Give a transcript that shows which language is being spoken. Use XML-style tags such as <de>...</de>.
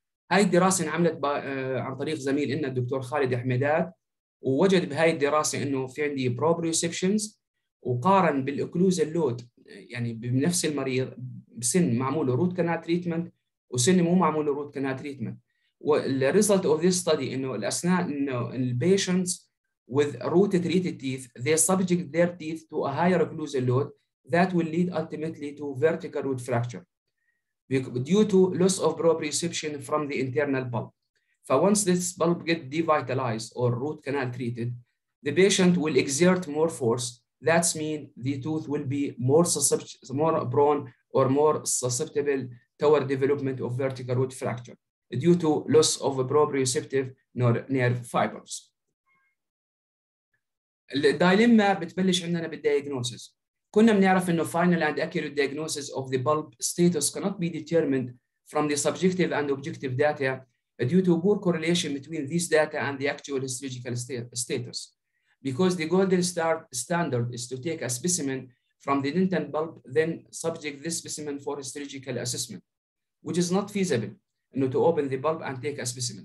<ar>هاي الدراسة انعملت عن طريق زميل إنا الدكتور خالد حمدات، ووجد بهاي الدراسة إنه في عندي proprioceptions وقارن بالocclusal load يعني بنفس المريض بسن معمول root canal treatment وسن مو معمول root canal treatment.</ar> <en>The result of this study</en> <ar>إنه الأسنان إنه</ar> <en>patients with root treated teeth they subject their teeth to a higher occlusal load that will lead ultimately to vertical root fracture due to loss of proprioception from the internal bulb. For once this bulb get devitalized or root canal treated, the patient will exert more force. That's mean the tooth will be more prone or more susceptible toward development of vertical root fracture due to loss of proprioceptive nerve fibers.</en> <ar>الدايليما بتبلش عندنا بالدياجنوسيس. كنا بنعرف انه</ar> <en>final and accurate diagnosis of the bulb status cannot be determined from the subjective and objective data due to poor correlation between these data and the actual histological status. Because the golden standard is to take a specimen from the dentin bulb then subject this specimen for histological assessment, which is not feasible, you know, to open the bulb and take a specimen.</en>